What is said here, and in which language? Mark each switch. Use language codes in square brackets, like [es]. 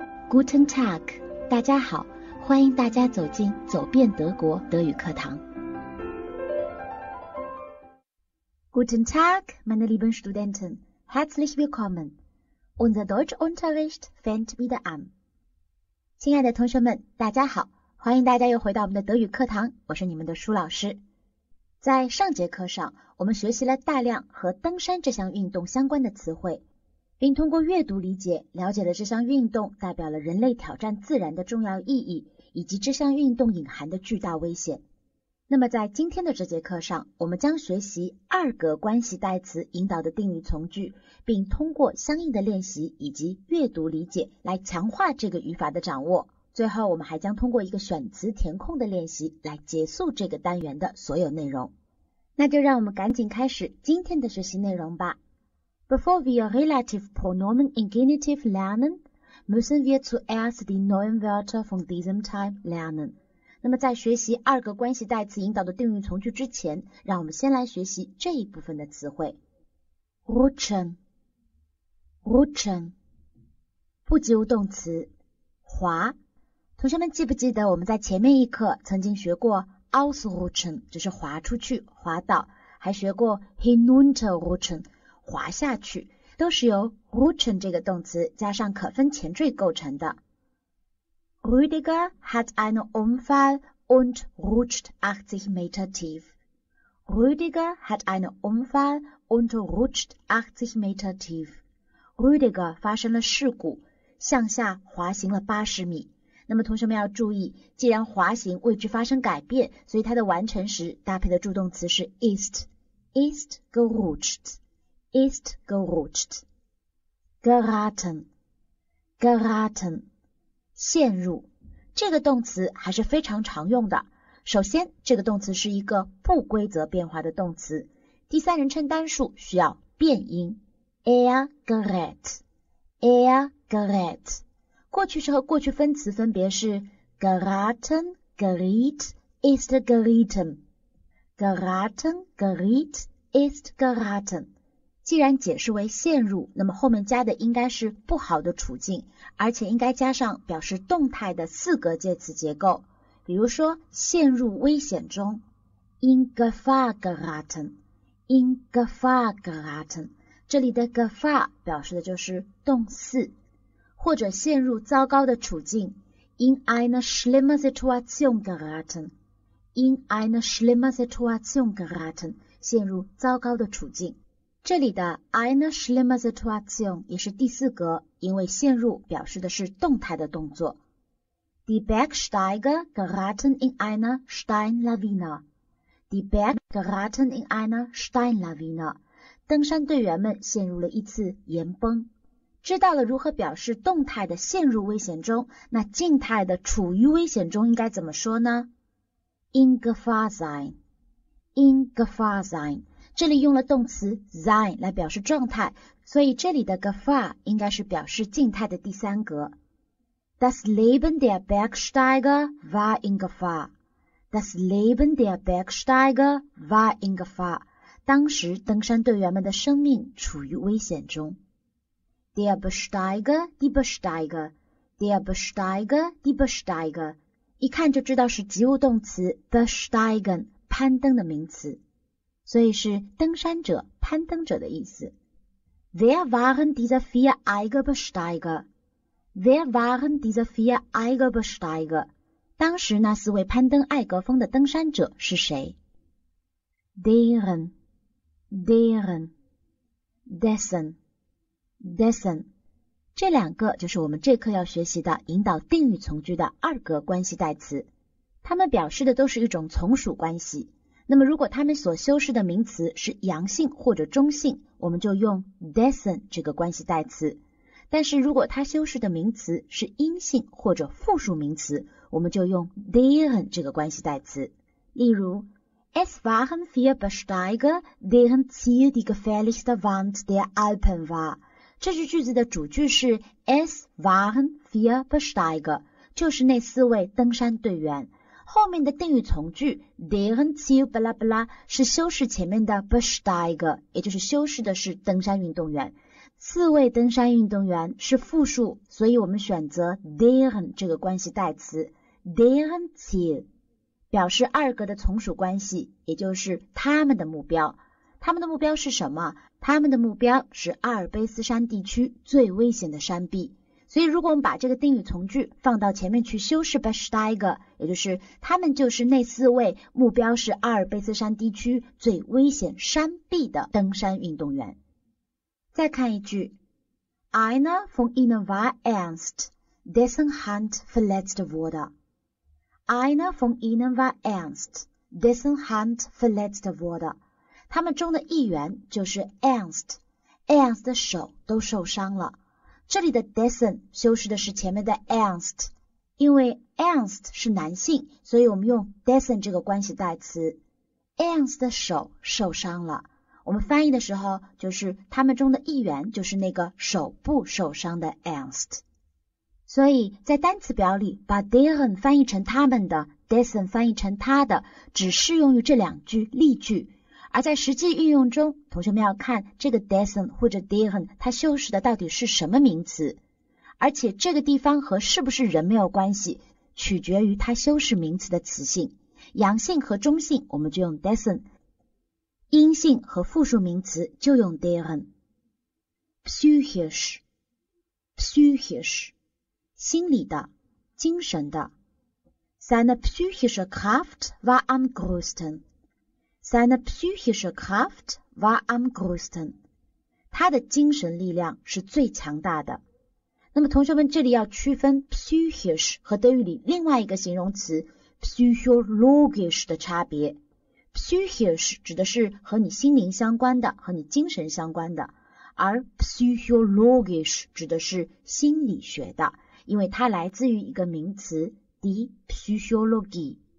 [de] Guten Tag， [zh] 大家好，欢迎大家走进走遍德国德语课堂。 [de] Guten Tag, meine lieben Studenten, herzlich willkommen. Unser Deutschunterricht fängt wieder an. [zh] 亲爱的同学们，大家好，欢迎大家又回到我们的德语课堂，我是你们的舒老师。在上节课上，我们学习了大量和登山这项运动相关的词汇，并通过阅读理解，了解了这项运动代表了人类挑战自然的重要意义，以及这项运动隐含的巨大危险。那么在今天的这节课上，我们将学习二格关系代词引导的定语从句，并通过相应的练习以及阅读理解来强化这个语法的掌握。最后我们还将通过一个选词填空的练习来结束这个单元的所有内容。那就让我们赶紧开始今天的学习内容吧。 [de] Bevor wir relative pronomen in genitiv lernen, müssen wir zuerst die neuen Wörter von diesem Teil lernen. [zh] 那么在学习二个关系代词引导的定语从句之前，让我们先来学习这一部分的词汇。 [de] Rutschen, Rutschen, [zh] 不及物动词滑。同学们记不记得我们在前面一课曾经学过 ausrutschen, 就是滑出去滑倒，还学过 hinunterrutschen, 滑下去，都是由 rutschen 这个动词加上可分前缀构成的。 [de] Rüdiger hat einen Unfall und rutscht 80 Meter tief. Rüdiger hat einen Unfall und rutscht 80 Meter tief. [zh] Rüdiger 发生了事故，向下滑行了80米。那么同学们要注意，既然滑行位置发生改变，所以它的完成时搭配的助动词是 ist. [de] Ist gerutscht. Ist gerutscht. Geraten. Geraten. [zh] 陷入，这个动词还是非常常用的。首先，这个动词是一个不规则变化的动词，第三人称单数需要变音 [de] ，er gerät， [zh] 过去式和过去分词分别是 [de] geraten, geriet, ist geraten, geraten, geriet, ist geraten。 [zh] 既然解释为陷入，那么后面加的应该是不好的处境，而且应该加上表示动态的四格介词结构。比如说陷入危险中 [de] ,in Gefahr geraten, in Gefahr geraten, [zh] 这里的 Gefahr 表示的就是动词。或者陷入糟糕的处境 [de] ,in eine schlimme Situation geraten, in eine schlimme Situation geraten, [zh] 陷入糟糕的处境。这里的 [de] eine schlimme Situation [zh] 也是第四格，因为陷入表示的是动态的动作。 [de] Die Bergsteiger geraten in eine Steinlawine. Die Berg geraten in eine Steinlawine. [zh] 登山队员们陷入了一次岩崩。知道了如何表示动态的陷入危险中，那静态的处于危险中应该怎么说呢？ [de] In Gefahr sein. In Gefahr sein. [zh] 这里用了动词 sein 来表示状态，所以这里的 Gefahr 应该是表示静态的第三格。 [de] Das Leben der Bergsteiger war in Gefahr. Das Leben der Bergsteiger war in Gefahr. [zh] 当时登山队员们的生命处于危险中。 [de] Der Besteiger, die Besteiger, der Besteiger, die Besteiger. [zh] 一看就知道是及物动词 besteigen, 攀登的名词。所以是登山者、攀登者的意思。 [de] Wer waren diese vier Eigerbesteiger? Wer waren diese vier Eigerbesteiger? [zh] 当时那四位攀登艾格峰的登山者是谁 [de] ？Deren, deren, dessen, dessen。 [zh] 这两个就是我们这课要学习的引导定语从句的二格关系代词，它们表示的都是一种从属关系。那么如果他们所修饰的名词是阳性或者中性，我们就用 dessen 这个关系代词。但是如果他修饰的名词是阴性或者复数名词，我们就用 deren 这个关系代词。例如 [de] Es waren vier Besteiger, deren Ziel die gefährlichste Wand der Alpen war. [zh] 这句句子的主句是 [de] Es waren vier Besteiger, [zh] 就是那四位登山队员。后面的定语从句 [de] deren Ziel [zh] 巴拉巴拉是修饰前面的 Besteiger， 也就是修饰的是登山运动员，四位登山运动员是复数，所以我们选择 deren 这个关系代词 [de] deren Ziel， [zh] 表示二个的从属关系，也就是他们的目标。他们的目标是什么？他们的目标是阿尔卑斯山地区最危险的山壁。所以如果我们把这个定语从句放到前面去修饰 besteiger， 也就是他们就是那四位目标是阿尔卑斯山地区最危险山壁的登山运动员。再看一句， [de] einer von ihnen war ernst, dessen Hand verletzt wurde. einer von ihnen war ernst, dessen Hand verletzt wurde. [zh] 他们中的一员就是 ernst， ernst 的手都受伤了。这里的 dessen 修饰的是前面的 ernst， 因为 ernst 是男性，所以我们用 dessen 这个关系代词。 ernst 的手受伤了，我们翻译的时候就是他们中的一员就是那个手部受伤的 ernst。所以在单词表里把 deren 翻译成他们的， dessen 翻译成他的，只适用于这两句例句。而在实际运用中，同学们要看这个 dessen 或者 deren 它修饰的到底是什么名词，而且这个地方和是不是人没有关系，取决于它修饰名词的词性。阳性和中性我们就用 dessen，阴性和复数名词就用 deren。 psychisch psychisch 心理的精神的。 [de] seine psychische Kraft war am größten seine psychische Kraft war am größten [zh] 他的精神力量是最强大的。那么同学们这里要区分 psychisch 和德语里另外一个形容词 psychologisch 的差别。 Psychisch 指的是和你心灵相关的，和你精神相关的，而 Psychologisch 指的是心理学的，因为它来自于一个名词 die Psychologie。